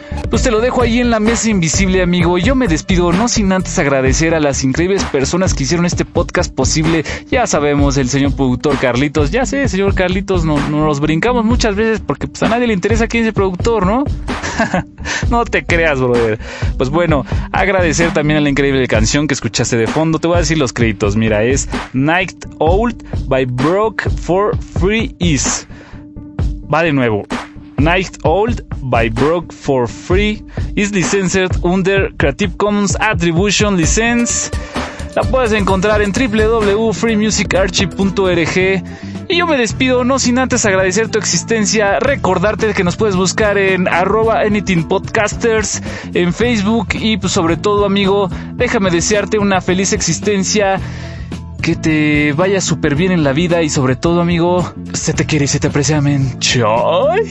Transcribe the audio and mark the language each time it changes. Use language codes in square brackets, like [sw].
[es] Pues te lo dejo ahí en la mesa invisible, amigo. Yo me despido, no sin antes agradecer a las increíbles personas que hicieron este podcast posible. Ya sabemos, el señor productor Carlitos. Ya sé, señor Carlitos, no nos brincamos muchas veces porque pues, a nadie le interesa quién es el productor, ¿no? No te creas, brother. Pues bueno, agradecer también a la increíble canción que escuchaste de fondo. Te voy a decir los créditos. Mira, es Night Owl by Broke for Free Is. Va de nuevo. [en] Night Owl by Broke for Free is licensed under Creative Commons Attribution License. [es] La puedes encontrar en www.freemusicarchive.org. Y yo me despido, no sin antes agradecer tu existencia, recordarte que nos puedes buscar en @anythingpodcasters, en Facebook y pues sobre todo, amigo, déjame desearte una feliz existencia, que te vaya súper bien en la vida y sobre todo, amigo, se te quiere y se te aprecia, amén. Chao.